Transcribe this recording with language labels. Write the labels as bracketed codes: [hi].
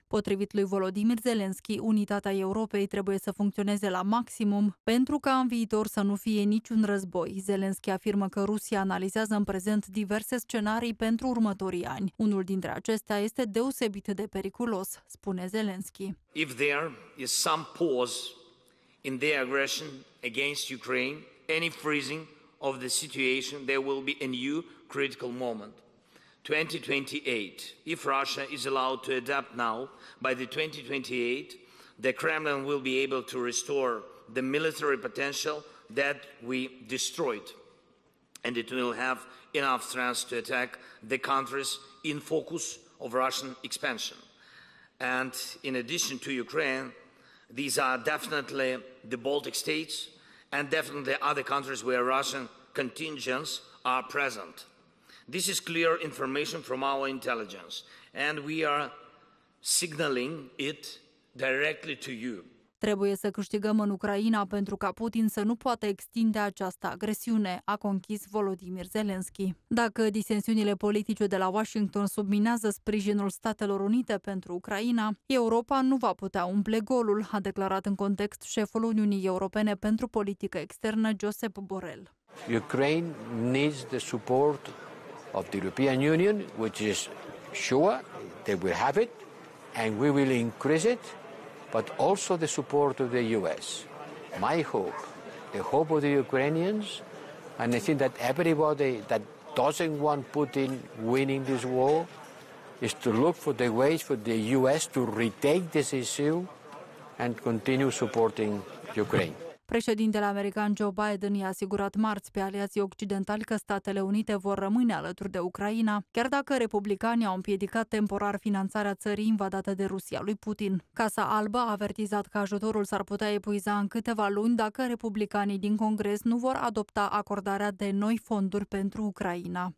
[ro] Potrivit lui Volodymyr Zelensky, unitatea Europei trebuie să funcționeze la maximum pentru ca în viitor să nu fie niciun război. Zelensky afirmă că Rusia analizează în prezent diverse scenarii pentru următorii ani. Unul dintre acestea este deosebit de periculos, spune Zelensky. [en] If there is some pause in their aggression against Ukraine, any freezing of the situation, there will be a new critical moment. 2028. If Russia is allowed to adapt now, by the 2028, the Kremlin will be able to restore the military potential that we destroyed, and it will have enough strength to attack the countries in focus of Russian expansion. And in addition to Ukraine, these are definitely the Baltic states and definitely other countries where Russian contingents are present. This is clear information from our intelligence, and we are signaling it directly to you. [ro] Trebuie să câștigăm în Ucraina pentru ca Putin să nu poată extinde această agresiune, a conchis Volodymyr Zelensky. Dacă disensiunile politice de la Washington subminează sprijinul Statelor Unite pentru Ucraina, Europa nu va putea umple golul, a declarat în context șeful Uniunii Europene pentru Politică Externă, Josep Borrell. [en] Ukraine needs the support of the European Union, which is sure they will have it and we will increase it. But also the support of the US. My hope, the hope of the Ukrainians, and I think that everybody that doesn't want Putin winning this war is to look for the ways for the US to retake this issue and continue supporting Ukraine. [ro] Președintele american Joe Biden i-a asigurat marți pe aliații occidentali că Statele Unite vor rămâne alături de Ucraina, chiar dacă republicanii au împiedicat temporar finanțarea țării invadate de Rusia lui Putin. Casa Albă a avertizat că ajutorul s-ar putea epuiza în câteva luni dacă republicanii din Congres nu vor adopta acordarea de noi fonduri pentru Ucraina.